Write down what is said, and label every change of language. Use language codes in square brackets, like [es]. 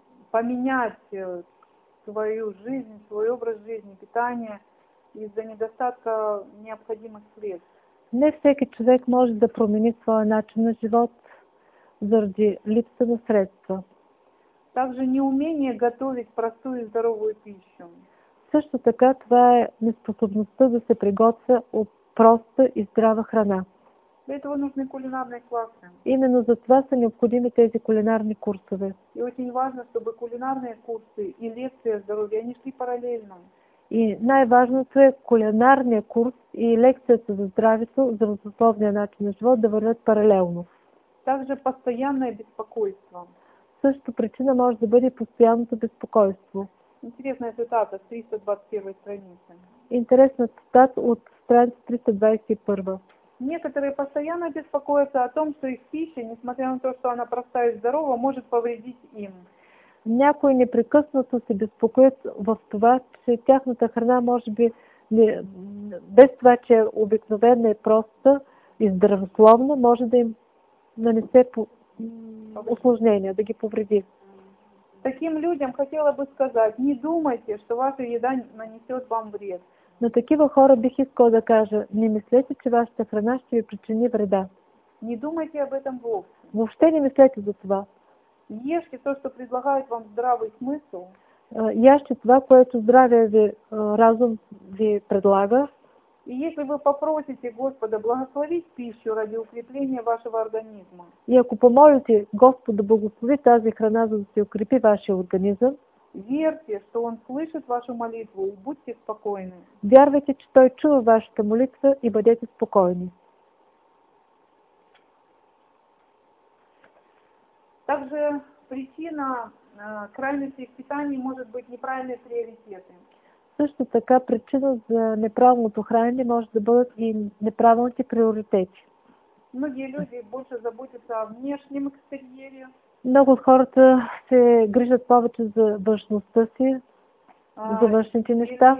[ru] поменять свою жизнь, свой образ жизни, питание из-за недостатка необходимых средств. [bg] Не всеки човек може да промени своя начин на живот заради липса на средства. [ru] Также неумение готовить простую и здоровую пищу. [bg] Също така това е неспособността да се приготвя от проста и здрава храна. [ru] Для этого нужны кулинарные классы. [bg] Именно за това са необходими тези кулинарни курсове. [ru] И очень важно, чтобы кулинарные курсы и лекции о здоровье, они шли параллельно. [bg] И най-важното е кулинарния курс и лекцията за здравето, за здравословния начин на живот да вървят паралелно. [ru] Также постоянное беспокойство. [bg] Също причина може да бъде постоянното безпокойство. [ru] Интересная цитата с 321 страницы. [bg] Интересна цитата от страница 321. [ru] Некоторые постоянно беспокоятся о том, что их пища, несмотря на то, что она простая и здорова, может повредить им. [bg] Някои непрекъснато се безпокоят в това, че тяхната храна може би не, без това, че е обикновена и проста и здравословна, може да им нанесе осложнения, да ги повреди. [ru] Таким людям хотела бы сказать, не думайте, что ваша еда нанесет вам вред. [bg] На такива хора бих искала да кажа, не мислете, че вашата храна ще ви причини вреда. [ru] Не думайте об этом вовсе. [bg] Въобще не мислете за това. [ru] Ешьте то, что предлагает вам здравый смысл. Ешьте [bg] това, което здравия ви, разум ви предлага. [ru] И если вы попросите Господа благословить пищу ради укрепления вашего организма. [bg] И ако помолите Господа благослови тази храна, за да се укрепи вашия организъм. [ru] Верьте, что Он слышит вашу молитву и будьте спокойны. [bg] Вярвайте, че Той чува вашата молитва и бъдете спокойни. [ru] Также причина крайности в питании может быть неправильные приоритеты. [bg] Също така причина за неправилното хранение може да бъдат и неправилните приоритети. [ru] Многие люди больше заботятся о внешнем экстерьере. [bg] Много от хората се грижат повече за външността си, за външните неща.